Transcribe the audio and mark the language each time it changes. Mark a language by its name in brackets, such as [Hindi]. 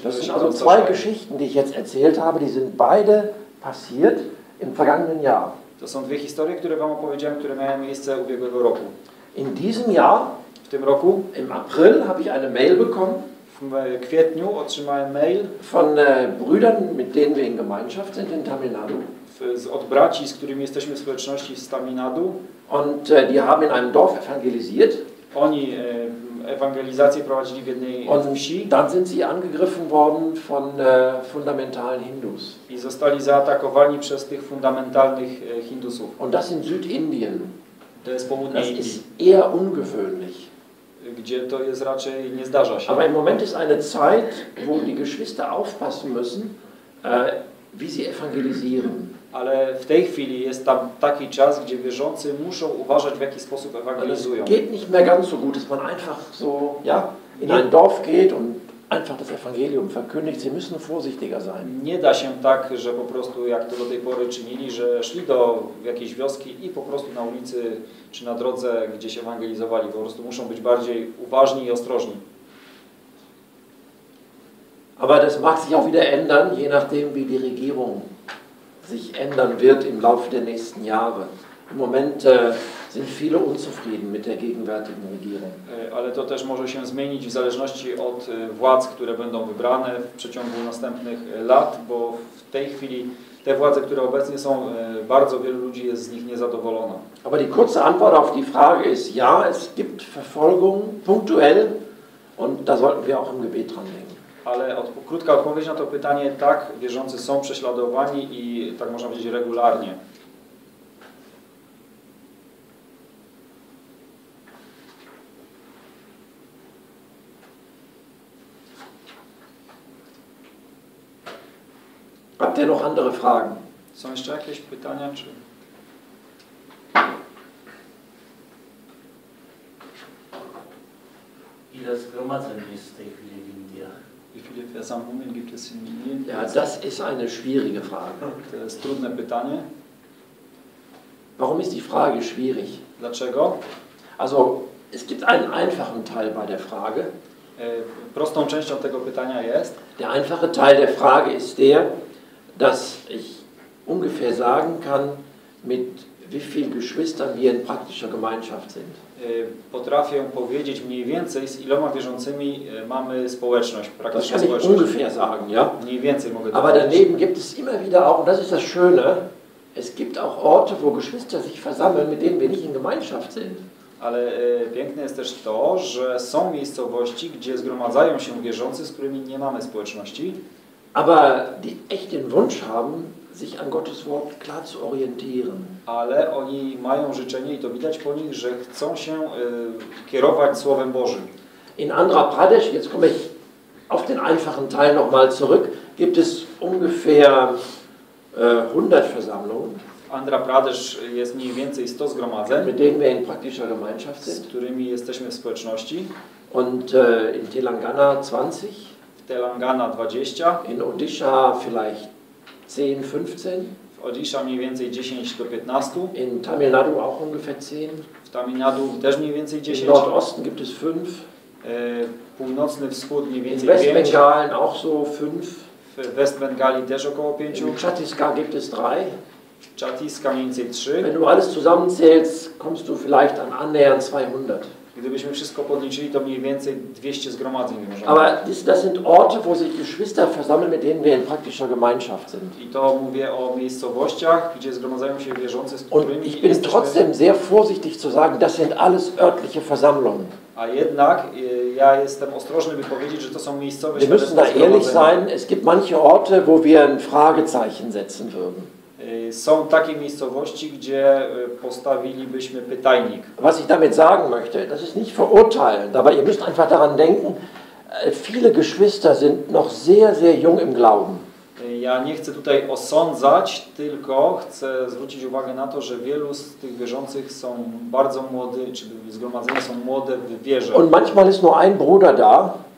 [German] das sind also zwei Geschichten, die ich jetzt erzählt habe, die sind beide passiert im vergangenen Jahr. [Polish] To są dwie historie, które wam opowiedziałem, które miały miejsce ubiegłego roku. [German] In diesem Jahr, [Polish] w tym roku, [German] im April, habe ich eine Mail bekommen. [Polish] W kwietniu otrzymałem mail [German] von Brüdern, mit denen wir in Gemeinschaft sind in Tamil Nadu. [Polish] Od braci, z którymi jesteśmy w społeczności z Tamil Nadu. [German] Und die haben in einem Dorf evangelisiert. [Polish] Oni ewangelizację prowadzili w jednej wsi. [German] Dann sind sie angegriffen worden von fundamentalen Hindus. [Polish] I zostali zaatakowani przez tych fundamentalnych Hindusów. [German] Und das in Südindien. [Polish] To jest południe Indii. [German] Das ist eher ungewöhnlich. [Polish] Gdzie to jest raczej nie zdarza się. [German] Aber im Moment ist eine Zeit, wo die Geschwister aufpassen müssen, wie sie evangelisieren. [Polish] Ale w tej chwili jest tam taki czas, gdzie wierzący muszą uważać, w jaki sposób ewangelizują. [German] Es geht nicht mehr ganz so gut, dass man einfach so, ja, in ein Dorf geht und einfach das Evangelium verkündigt. Sie müssen vorsichtiger sein. [Polish] Nie da się tak, że po prostu, jak to do tej pory czynili, że szli do jakiejś wioski i po prostu na ulicy czy na drodze gdzieś ewangelizowali. Po prostu muszą być bardziej uważni i ostrożni. [German] Aber das mag sich auch wieder ändern, je nachdem wie die Regierung sich ändern wird im Laufe der nächsten Jahre. Im Moment sind viele unzufrieden mit der gegenwärtigen Regierung. [Polish] Ale to też może się zmienić w zależności od władz, które będą wybrane w przeciągu następnych lat, bo w tej chwili te władze, które obecnie są, bardzo wielu ludzi jest z nich niezadowolona. [German] Aber die kurze Antwort auf die Frage ist ja, es gibt Verfolgung punktuell und da sollten wir auch im Gebet dran denken. [Polish] Ale krótka odpowiedź na to pytanie, tak, wierzący są prześladowani i tak można powiedzieć regularnie. [German] Habt ihr noch andere Fragen? [Polish] Są jeszcze jakieś pytania, czy... Ile zgromadzeń jest w tej chwili w Indiach? [German] Wie viele Versammlungen gibt es in Indien? Ja, das ist eine schwierige Frage. [Polish] To jest trudne pytanie. [German] Warum ist die Frage schwierig? [Polish] Dlaczego? [German] Also, es gibt einen einfachen Teil bei der Frage. [Polish] Prostą częścią tego pytania jest... [German] Der einfache Teil der Frage ist der, dass ich ungefähr sagen kann, mit wie vielen Geschwistern wir in praktischer Gemeinschaft sind. [Polish] Potrafię powiedzieć mniej więcej, z iloma wierzącymi mamy społeczność, praktyczną społeczność. [German] Ungefähr sagen, ja? [Polish] Mniej więcej mogę [German] Aber [Polish] powiedzieć. [German] Daneben gibt es immer wieder auch, und das ist das Schöne, es gibt auch Orte, wo Geschwister sich versammeln, mit denen wir nicht in Gemeinschaft sind. [Polish] Ale piękne jest też to, że są miejscowości, gdzie zgromadzają się wierzący, z którymi nie mamy społeczności. [German] Aber die echt den Wunsch haben, sich an Gottes Wort klar zu orientieren. [Polish] Ale oni mają życzenie i to widać po nich, że chcą się kierować Słowem Bożym. [German] In Andhra Pradesh, jetzt komme ich auf den einfachen Teil nochmal zurück, gibt es ungefähr 100 Versammlungen. [Polish] Andhra Pradesh jest mniej więcej 100 zgromadzeń, [German] mit denen wir in praktischer Gemeinschaft sind. [Polish] Z którymi jesteśmy w społeczności. [German] Und in Telangana 20. [Polish] W Telangana 20. [German] In Odisha vielleicht 10-15. [Polish] W Odisha mniej więcej 10-15. [German] In Tamil Nadu auch ungefähr 10. [Polish] W Tamil Nadu też mniej więcej 10. [German] In Nordosten gibt es 5. [Polish] Północny wschód mniej więcej [German] 5. In Westbengalen auch so 5. [Polish] W Westbengalii też około 5. [German] In Chhattisgarh gibt es 3. [Polish] Chhattisgarh mniej więcej 3. [German] Wenn du alles zusammenzählst, kommst du vielleicht an annähernd 200. [Polish] Gdybyśmy wszystko podliczyli, to mniej więcej 200 zgromadzeń możemy. [German] Aber das sind Orte, wo sich Geschwister versammeln, mit denen wir in praktischer Gemeinschaft sind. [Polish] I to mówię o miejscowościach, gdzie zgromadzają się wierzący, z którymi. [German] Und ich bin trotzdem sehr vorsichtig zu sagen, das sind alles örtliche Versammlungen. [Polish] A jednak ja jestem ostrożny, by powiedzieć, że to są miejscowe. [German] Wir müssen da ehrlich sein. Es gibt manche Orte, wo wir ein Fragezeichen setzen würden. [Polish] Są takie miejscowości, gdzie postawilibyśmy pytajnik. [German] Was ich damit sagen möchte, das ist nicht verurteilend, aber ihr müsst einfach daran denken, viele Geschwister sind noch sehr, sehr jung im Glauben. [Polish] Ja nie chcę tutaj osądzać, tylko chcę zwrócić uwagę na to, że wielu z tych wierzących są bardzo młody, czy zgromadzeni są młode w wierze. [German] Und manchmal ist nur ein Bruder da.